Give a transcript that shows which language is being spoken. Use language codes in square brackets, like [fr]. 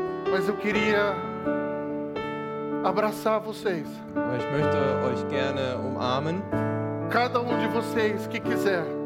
[pt] Mas eu queria abraçar vocês. [de] Ich möchte euch gerne umarmen. [pt] Cada de vocês que quiser.